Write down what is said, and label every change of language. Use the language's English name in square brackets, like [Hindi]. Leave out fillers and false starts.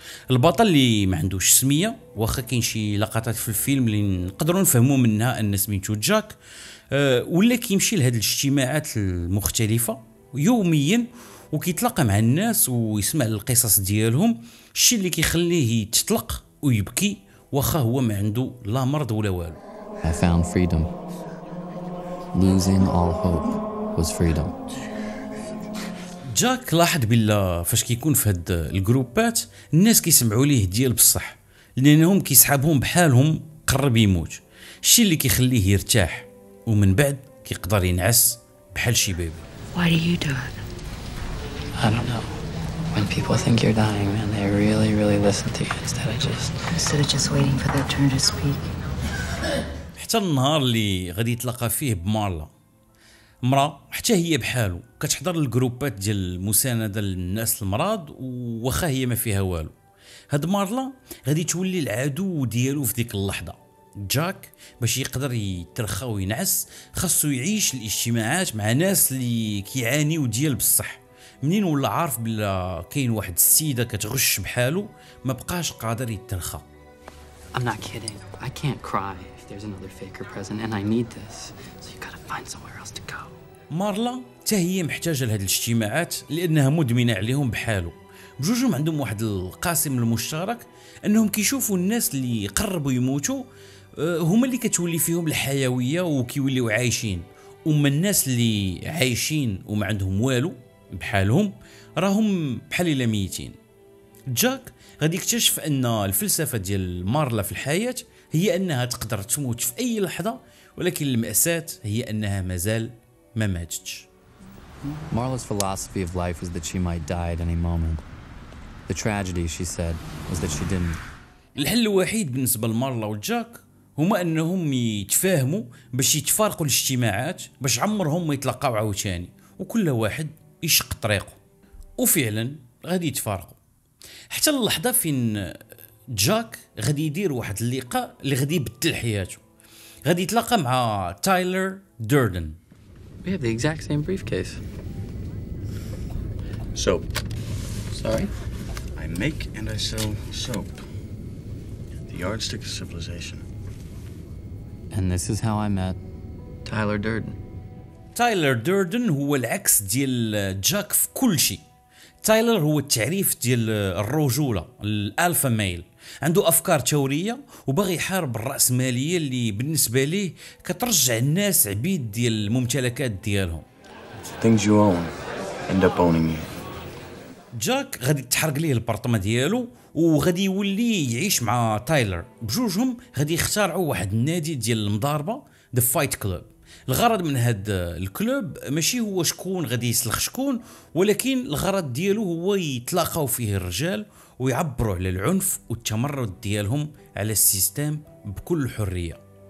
[Arabic] البطل اللي ما عندوش سميه، واخا كاين شي لقطات في الفيلم اللي نقدروا نفهموا منها ان سميتو جاك، ولا كيمشي لهاد الاجتماعات المختلفه يوميا وكيتلاقى مع الناس ويسمع القصص ديالهم، الشيء اللي كيخليه يتطلق ويبكي واخا هو ما عنده لا مرض ولا والو. [English] I found freedom. Losing all hope was freedom. [Arabic] جاك لاحظ بالله فاش كيكون في هاد الجروبات الناس كيسمعوا ليه ديال بصح، لانهم كيسحبهم بحالهم قرب يموت، الشيء اللي كيخليه يرتاح ومن بعد كيقدر ينعس بحال شي بيبي. [English] Why do you do it? I don't know. When people think you're dying, man, they really really listen to you instead of just waiting for their turn to speak. [Arabic] حتى النهار اللي غادي يتلاقى فيه بمارلا، مرأة حتى هي بحاله كتحضر الجروبات ديال المساندة للناس المرض، وخا هي ما فيها والو. هاد مارلا غادي تولي العدو ديالو في ديك اللحظة. جاك باش يقدر يترخى وينعس خاصو يعيش الاجتماعات مع ناس اللي كيعانيو ديال بصح. منين ولا عارف بلا كاين واحد السيدة كتغش بحاله ما بقاش قادر يترخى. [English] I'm not kidding. I can't cry if there's another faker present and I need this. So you gotta find somewhere else to go. [Arabic] مارلا حتى هي محتاجه لهاد الاجتماعات لانها مدمنه عليهم بحالو. بجوجهم عندهم واحد القاسم المشترك، انهم كيشوفوا الناس اللي قربوا يموتوا هما اللي كتولي فيهم الحيويه وكيوليو عايشين، وما الناس اللي عايشين وما عندهم والو بحالهم راهم بحال الا ميتين. جاك غادي يكتشف ان الفلسفه ديال مارلا في الحياه هي انها تقدر تموت في اي لحظه، ولكن الماساه هي انها مازال ما ماتتش. [English] Marla's philosophy of life was that she might die at any moment. The tragedy, she said, was that she didn't. [Arabic] الحل الوحيد بالنسبه لمارلا وجاك هما انهم يتفاهموا باش يتفارقوا الاجتماعات باش عمرهم ما يتلاقاو عاوتاني، وكل واحد يشق طريقه. وفعلا غادي يتفارقوا حتى اللحظه فين جاك غادي يدير واحد اللقاء اللي غادي يبدل حياته. غادي يتلاقى مع تايلر دوردن. [English] We have the exact same briefcase. Soap. Sorry? I make and I sell soap. The yardstick of civilization. And this is how I met Tyler Durden. [Arabic] Tyler Durden هو العكس ديال جاك في كل شيء. تايلر هو التعريف ديال الرجولة، الألفا ميل. عنده أفكار ثورية وبغي يحارب الرأسمالية اللي بالنسبة ليه كترجع الناس عبيد ديال الممتلكات ديالهم. [English] Things you own end up owning you. [Arabic] جاك غادي تحرق ليه البرطمة ديالو وغادي يولي يعيش مع تايلر. بجوجهم غادي يخترعوا واحد النادي ديال المضاربة، The Fight Club. الغرض من هاد الكلوب ماشي هو شكون غادي يسلخ شكون، ولكن الغرض ديالو هو يتلاقاو فيه الرجال ويعبروا على العنف والتمرد ديالهم على السيستم بكل حرية.